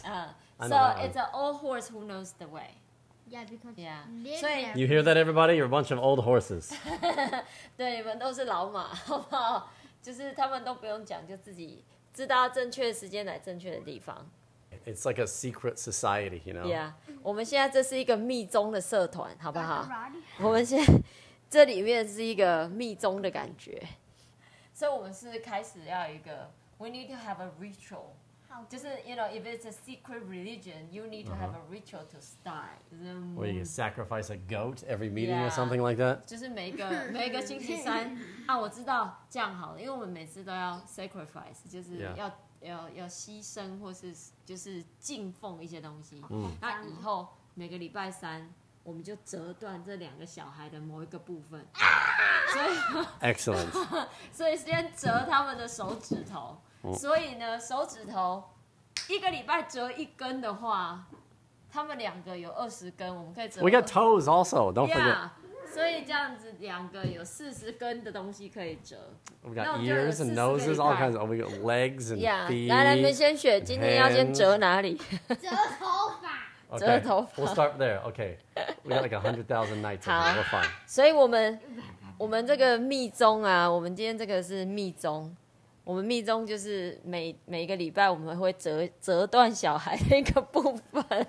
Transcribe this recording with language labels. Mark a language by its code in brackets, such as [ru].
[en] So it's an old horse who knows the way. Yeah, because yeah. So you hear that, everybody? You're a bunch of old horses. [zh] 对，你们都是老马，好不好？就是他们都不用讲，就自己知道正确的时间来正确的地方。 [en] It's like a secret society, you know? Yeah, [zh] 我们现在这是一个密宗的社团，好不好？我们现在这里面是一个密宗的感觉。所以我们是开始要一个 [en] we need to have a ritual. [zh] 就是 [en] you know, if it's a secret religion, you need to have a ritual to start. Where you sacrifice a goat every meeting or something like that? [zh] 就是每个星期三啊，我知道这样好了，因为我们每次都要 [en] sacrifice, [zh] 就是要、 [en] yeah. [zh] 要牺牲或是就是敬奉一些东西，那以后每个礼拜三我们就折断这两个小孩的某一个部分，所以 [en] excellent， [zh] 所以先折他们的手指头，所以呢手指头一个礼拜折一根的话，他们两个有二十根，我们可以折。 [en] We got toes also, don't forget. Yeah, [zh] 所以这样子两个有四十根的东西可以折。 [en] We got ears and noses, all kinds of. We got legs and yeah, feet. Yeah, [zh] 来，你们先选，今天要先折哪里？折头发。折头发。 [en] We'll start there. Okay, we got like 100,000 nights. Okay, we're fine. [zh] 所以我们这个密宗啊，我们今天这个是密宗。我们密宗就是每一个礼拜我们会折断小孩的一个部分，